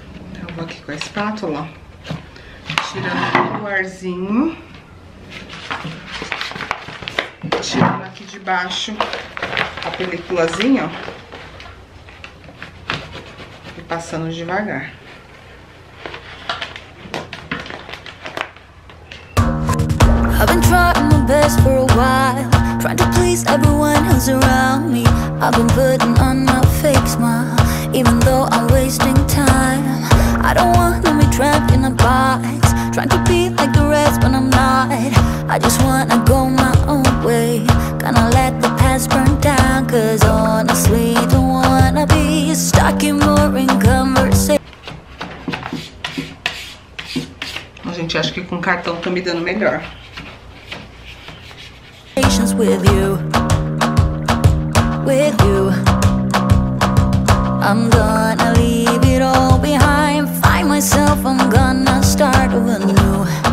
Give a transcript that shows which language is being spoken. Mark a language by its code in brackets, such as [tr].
[pt] Então, vou aqui com a espátula, tirando todo o arzinho, tirando aqui de baixo a peliculazinha, ó, e passando devagar. [en] I've been trying my best for a while. Trying to please everyone who's around me. I've been putting on my fake smile. even though I'm wasting time. I don't wanna be trapped in a box, trying to be like the rest when I'm not. I just wanna go my own way, gonna let the past burn down. Cause honestly, don't wanna be stuck in boring conversation. [pt] A gente acha que com cartão tá me dando melhor. [en] Patience with you. With you, I'm gonna leave it all behind. Find myself, I'm gonna start over new.